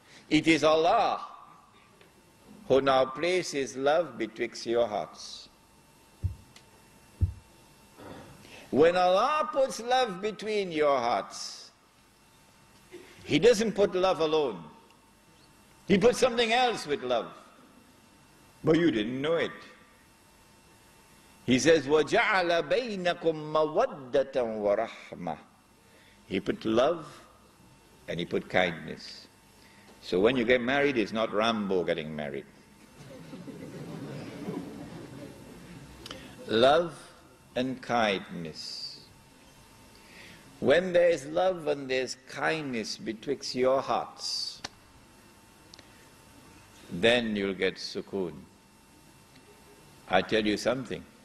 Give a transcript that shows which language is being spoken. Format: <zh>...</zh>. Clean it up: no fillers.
<en>It is Allah who now places love betwixt your hearts. When Allah puts love between your hearts, He doesn't put love alone. He put something else with love, but you didn't know it. He says,</en> <ar>وَجَعَلَ بَيْنَكُمْ مَوَدَّةً وَرَحْمَةً.</ar> <en>He put love and he put kindness. So when you get married, it's not Rambo getting married. Love and kindness. When there's love and there's kindness betwixt your hearts, then you'll get sukoon. I tell you something.</en>